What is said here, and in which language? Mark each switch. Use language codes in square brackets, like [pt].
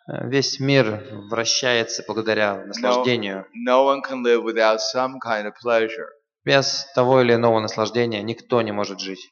[ru] Весь мир вращается благодаря наслаждению. [en] No one can live without some kind of pleasure. [ru] Без того или иного наслаждения никто не может жить.